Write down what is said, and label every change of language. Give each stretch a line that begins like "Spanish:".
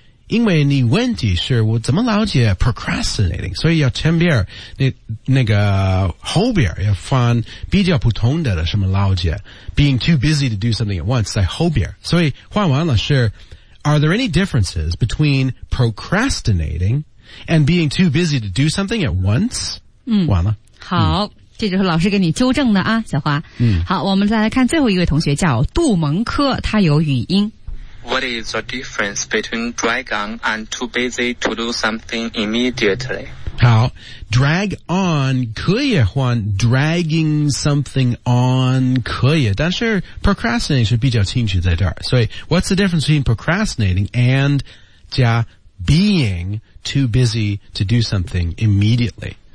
Chinese: 因为你问题是我怎么了解 procrastinating, 所以要前边那个后边要放比较普通的什么了解 ,
English: being too busy to do something at once
Chinese: 在后边。所以换完了是
English: ,are there any differences between procrastinating and being too busy to do something at once?
Chinese: 嗯，完了。好、嗯，这就是老师给你纠正的啊，小花。嗯，好，我们再来看最后一位同学叫杜蒙科，他有语音。
English: What is the difference between drag on and too busy to do something immediately? 好 ，drag on
Chinese: 可以换
English: dragging something on
Chinese: 可以，但是
English: procrastinating
Chinese: 是比较清楚在这儿。所以
English: ，What's the difference between procrastinating and
Chinese: 加
English: being too busy to do something immediately?